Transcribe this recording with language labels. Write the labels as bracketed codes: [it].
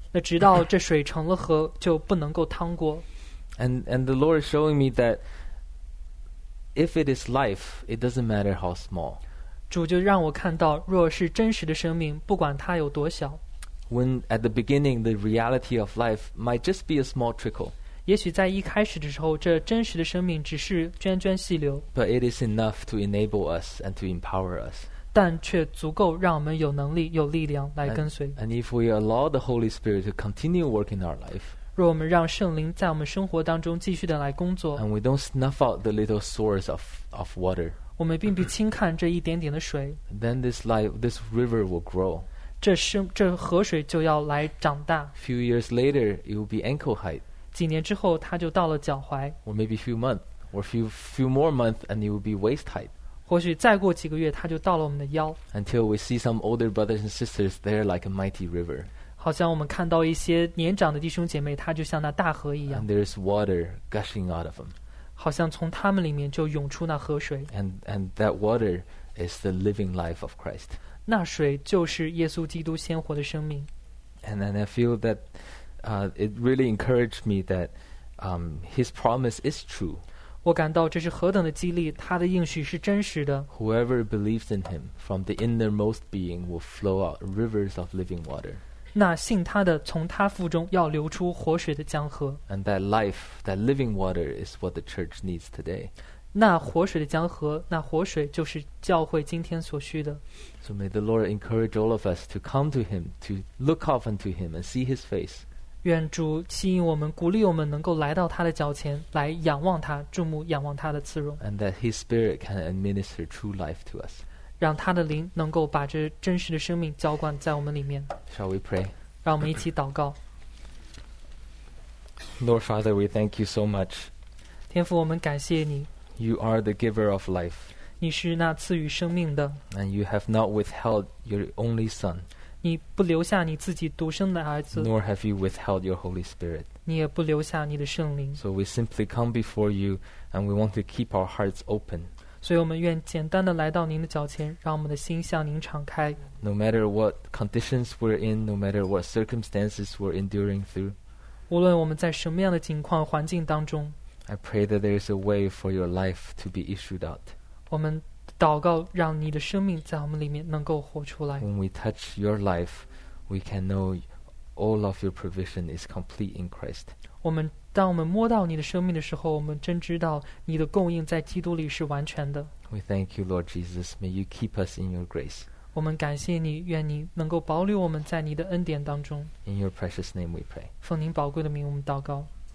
[zh] 那直到这水成了河就不能够趟过。 [en] And the Lord is showing me that if it is life, it doesn't matter how small. [zh] 主就让我看到，若是真实的生命，不管它有多小。 [en] When at the beginning, the reality of life might just be a small trickle. [zh] 也许在一开始的时候，这真实的生命只是涓涓细流。 [en] But it is enough to enable us and to empower us. [zh] 但却足够让我们有能力、有力量来跟随。 [en] And if we allow the Holy Spirit to continue working our life. [zh] 若我们让圣灵在我们生活当中继续的来工作， [en] And we don't snuff out the little source of water, [zh] 我们并不轻看这一点点的水， [en] Then this river will grow. [zh] 这河水就要来长大。 [en] Few years later, it will be ankle height. [zh] 几年之后他就到了脚踝。 [en] Or maybe a few months, or a few more months, and he will be waist height. [zh] 或许再过几个月他就到了我们的腰。 [en] Until we see some older brothers and sisters, they're like a mighty river. [zh] 好像我们看到一些年长的弟兄姐妹，他就像那大河一样。 [en] And there is water gushing out of them. [zh] 好像从他们里面就涌出那河水。 [en] And that water is the living life of Christ. [zh] 那水就是耶稣基督鲜活的生命。 [en] And then I feel that it really encouraged me that his promise is true. [zh] 我感到这是何等的激励，他的应许是真实的。 [en] Whoever believes in him from the innermost being will flow out rivers of living water. [zh] 那信他的从他腹中要流出活水的江河。 [en] And that life, that living water is what the church needs today. [zh] 那活水的江河，那活水就是教会今天所需的。 [en] So may the Lord encourage all of us to come to him, to look up unto him and see his face. [zh] 愿主吸引我们，鼓励我们能够来到他的脚前，来仰望他，注目仰望他的慈容。 [en] And that his spirit can administer true life to us. [zh] 让他的灵能够把这真实的生命浇灌在我们里面。 [en] Shall we pray? [zh] 让我们一起祷告。 [en] Lord Father, we thank you so much. [zh] 天父，我们感谢你。 [en] You are the giver of life. [zh] 你是那赐予生命的。 [en] And you have not withheld your only son. [zh] 你不留下你自己独生的儿子。 [en] Nor have you withheld your Holy Spirit. [zh] 你也不留下你的圣灵。 [en] So we simply come before you and we want to keep our hearts open. [zh] 所以我们愿简单的来到您的脚前，让我们的心向您敞开。 [en] No matter what conditions we're in, no matter what circumstances we're enduring through. [zh] 无论我们在什么样的境况环境当中。 [en] I pray that there is a way for your life to be issued out. [zh] 我们祷告让你的生命在我们里面能够活出来。 [en] When we touch your life, we can know all of your provision is complete in Christ. [zh] 我们当我们摸到你的生命的时候，我们真知道你的供应在基督里是完全的。 [en] We thank you, Lord Jesus. May you keep us in your grace. [zh] 我们感谢你，愿你能够保留我们在你的恩典当中。 [en] In your precious name we pray. [zh] 奉您宝贵的名我们祷告。